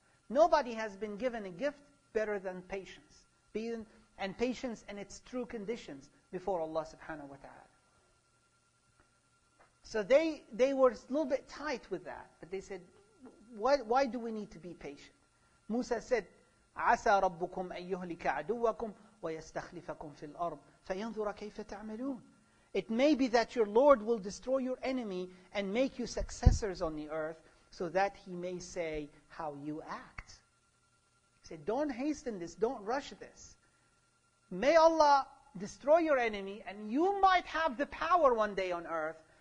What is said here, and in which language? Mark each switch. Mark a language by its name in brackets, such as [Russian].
[English] Nobody has been given a gift better than patience. And patience in its true conditions before Allah subhanahu wa ta'ala. So they were a little bit tight with that. But they said, why do we need to be patient? Musa said, [Arabic] عَسَى رَبُّكُمْ أَن يُهْلِكَ عَدُوَّكُمْ وَيَسْتَخْلِفَكُمْ فِي الْأَرْضِ فَيَنْظُرَ كَيْفَ تَعْمَلُونَ. [English] It may be that your Lord will destroy your enemy and make you successors on the earth so that He may say how you act. He said, don't hasten this, don't rush this. May Allah destroy your enemy and you might have the power one day on earth.